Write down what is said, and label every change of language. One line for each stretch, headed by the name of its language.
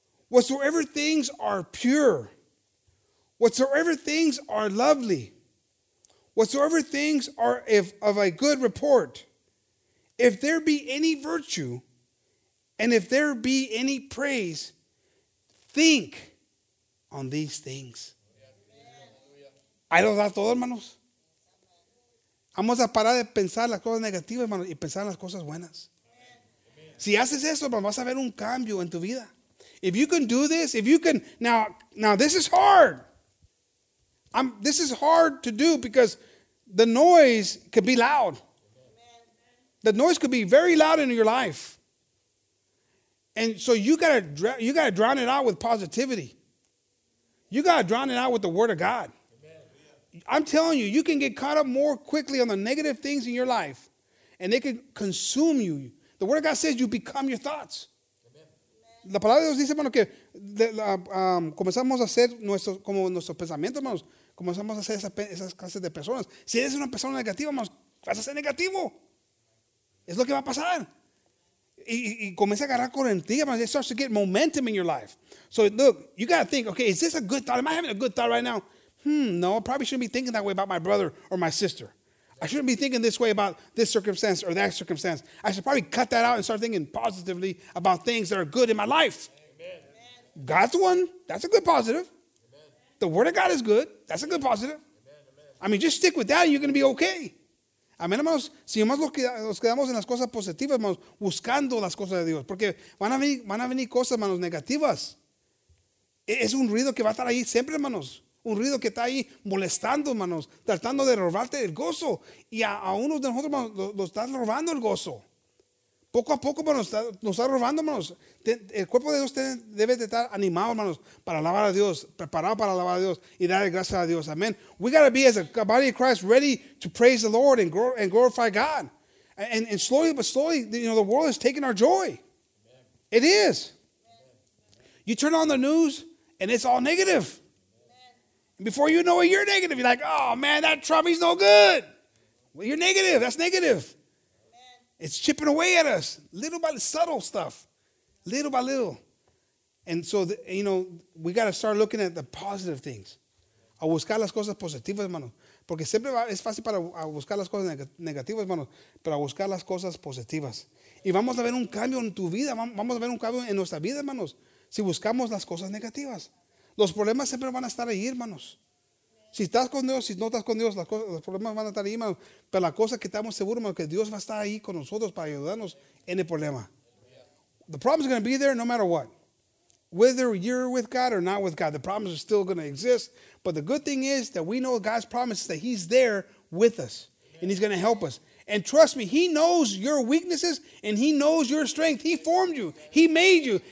English: whatsoever things are pure, whatsoever things are lovely, whatsoever things are of a good report, if there be any virtue, and if there be any praise, think on these things.
Spanish: Ahí lo da todo, hermanos. Vamos a parar de pensar las cosas negativas, hermanos, y pensar las cosas buenas. Si haces eso, hermano, vas a ver un cambio en tu vida.
English: If you can do this, if you can, now this is hard. This is hard to do because the noise could be loud. The noise could be very loud in your life. And so you gotta drown it out with positivity. You gotta drown it out with the Word of God. I'm telling you, you can get caught up more quickly on the negative things in your life, and they can consume you. The Word of God says you become your thoughts.
Spanish: La palabra de Dios dice, hermano, que comenzamos a ser nuestros pensamientos, hermanos. Comenzamos a ser esas clases de personas. Si eres una persona negativa, hermanos, vas a ser negativo. Es lo que va a pasar. Y comienza a agarrar corriente, hermanos.
English: It starts to get momentum in your life. So, look, you got to think, okay, is this a good thought? Am I having a good thought right now? No, I probably shouldn't be thinking that way about my brother or my sister. I shouldn't be thinking this way about this circumstance or that circumstance. I should probably cut that out and start thinking positively about things that are good in my life. Amen. God's one, that's a good positive. Amen. The Word of God is good, that's a good positive. Amen. I mean, just stick with that and you're going to be okay.
Spanish: Amén, hermanos. Si más nos quedamos en las cosas positivas, hermanos, buscando las cosas de Dios. Porque van a venir cosas, hermanos, negativas. Es un ruido que va a estar ahí siempre, hermanos. Un ruido que está ahí molestando, hermanos, tratando de robarte el gozo. Y a uno de nosotros, hermanos, lo está robando el gozo. Poco a poco, hermanos, nos está robando, hermanos. El cuerpo de Dios debe de estar animado, hermanos, para alabar a Dios, preparado para alabar a Dios y dar gracias a Dios. Amen.
English: We got to be, as a body of Christ, ready to praise the Lord and glorify God. And slowly but slowly, you know, the world is taking our joy. It is. You turn on the news and it's all negative. Before you know it, you're negative. You're like, oh, man, that Trump, he's no good. Well, you're negative. That's negative. Amen. It's chipping away at us, little by little, subtle stuff, little by little. And so, you know, we got to start looking at the positive things.
Spanish: A buscar las cosas positivas, hermano. Porque siempre es fácil para buscar las cosas negativas, hermano. Pero a buscar las cosas positivas. Y vamos a ver un cambio en tu vida. Vamos a ver un cambio en nuestra vida, hermanos. Si buscamos las cosas negativas. Los problemas siempre van a estar ahí, hermanos. Si estás con Dios, si no estás con Dios, los problemas van a estar ahí, hermanos. Pero la cosa que estamos seguros, hermanos, que Dios va a estar ahí con nosotros para ayudarnos en el problema.
English: The problem is going to be there no matter what. Whether you're with God or not with God, the problems are still going to exist. But the good thing is that we know God's promise is that he's there with us. And he's going to help us. And trust me, he knows your weaknesses and he knows your strength. He formed you. He made you.